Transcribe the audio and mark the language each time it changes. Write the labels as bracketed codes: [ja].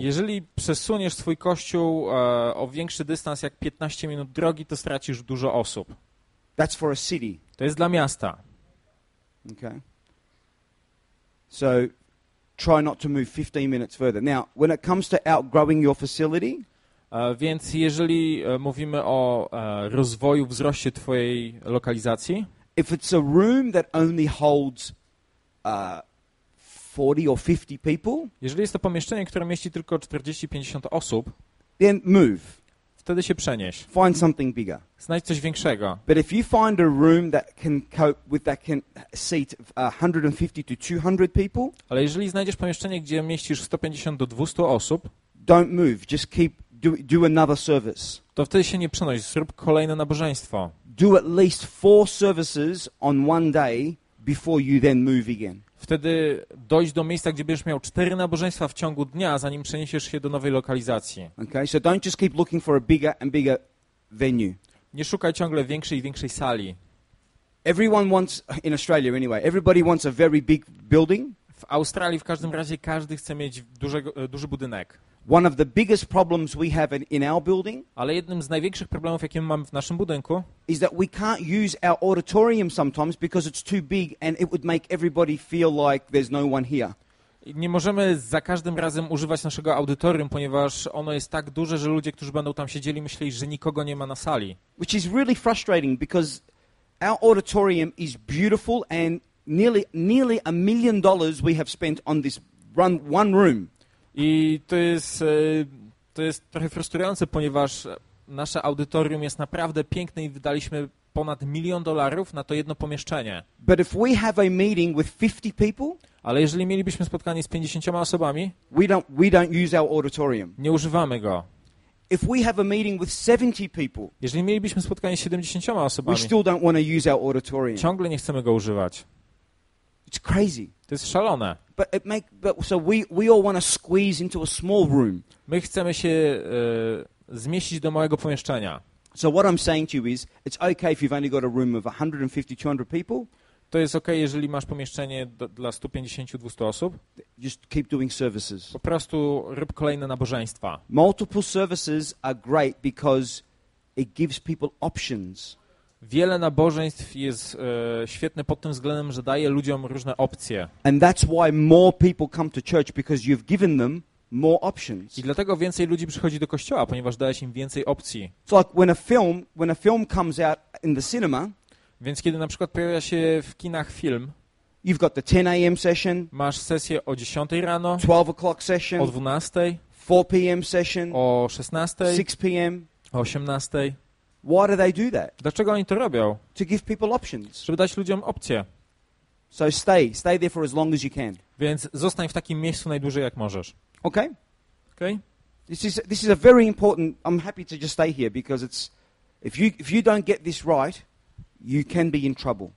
[pl] Jeżeli przesuniesz swój kościół o większy dystans jak 15 minut drogi, to stracisz dużo osób. [en] That's for a city. [pl] To jest dla miasta. [en] Okay. So try not to move 15 minutes further. Now, when it comes to outgrowing your facility, [pl] Więc jeżeli mówimy o rozwoju, wzroście twojej lokalizacji, [en] if it's a room that only holds 40 or 50 people, [pl] jeżeli jest to pomieszczenie, które mieści tylko 40-50 osób, [en] then move. [pl] Wtedy się przenieś. [en] Find something bigger. [pl] Znajdź coś większego. [en] But if you find a room that can cope with that can seat 150 to 200 people, [pl] ale jeżeli znajdziesz pomieszczenie, gdzie mieścisz 150 do 200 osób, [en] don't move, just keep do another service. [pl] To wtedy się nie przenoś, zrób kolejne nabożeństwo. [en] Do at least 4 services on one day before you then move again. [pl] Wtedy dojdź do miejsca, gdzie będziesz miał 4 nabożeństwa w ciągu dnia, zanim przeniesiesz się do nowej lokalizacji. [en] Okay, so don't just keep looking for a bigger and bigger venue. [pl] Nie szukaj ciągle większej i większej sali. [en] Everyone wants in Australia anyway. Everybody wants a very big building. [pl] W Australii w każdym razie każdy chce mieć duży budynek. [en] One of the biggest problems we have in our building, [pl] ale jednym z największych problemów, jakie mamy w naszym budynku, [en] is that we can't use our auditorium sometimes because it's too big and it would make everybody feel like there's no one here. [pl] Nie możemy za każdym razem używać naszego audytorium, ponieważ ono jest tak duże, że ludzie, którzy będą tam siedzieli, myśleli, że nikogo nie ma na sali. [en] Which is really frustrating because our auditorium is beautiful and nearly $1 million we have spent on this one room. [pl] I to jest trochę frustrujące, ponieważ nasze audytorium jest naprawdę piękne i wydaliśmy ponad $1,000,000 na to jedno pomieszczenie. [en] But if we have a meeting with 50 people, [pl] ale jeżeli mielibyśmy spotkanie z 50 osobami, [en] we don't use our auditorium. [pl] Nie używamy go. [en] If we have a meeting with 70 people, [pl] jeżeli mielibyśmy spotkanie z 70 osobami, [en] we still don't want to use our auditorium. [pl] Ciągle nie chcemy go używać. [en] It's crazy. [pl] To jest szalone. [en] But so we all want to squeeze into a small room. [pl] My chcemy się zmieścić do małego pomieszczenia. [en] So what I'm saying to you is, it's okay if you've only got a room of 150-200 people. [pl] To jest okay, jeżeli masz pomieszczenie dla 150-200 osób. [en] Just keep doing services. [pl] Po prostu rób kolejne nabożeństwa. [en] Multiple services are great because it gives people options. [pl] Wiele nabożeństw jest świetne pod tym względem, że daje ludziom różne opcje. [en] And that's why more people come to church, because you've given them more options. [pl] I dlatego więcej ludzi przychodzi do kościoła, ponieważ dajesz im więcej opcji. [en] So like when a film comes out in the cinema, [pl] więc kiedy na przykład pojawia się w kinach film, [en] you've got the 10 a.m. session, [pl] masz sesję o 10 rano, [en] 12 o'clock session, [pl] o 12, [en] 4 p.m. session, [pl] o 16, [en] 6 p.m., [pl] o 18. [en] Why do they do that? [pl] Dlaczego oni to robią? [en] To give people options. [pl] Żeby dać ludziom opcje. [en] So stay there for as long as you can. [pl] Więc zostań w takim miejscu najdłużej jak możesz. [en] Okay? [pl] Okay? [en] This is a very important. I'm happy to just stay here because it's if you don't get this right, you can be in trouble.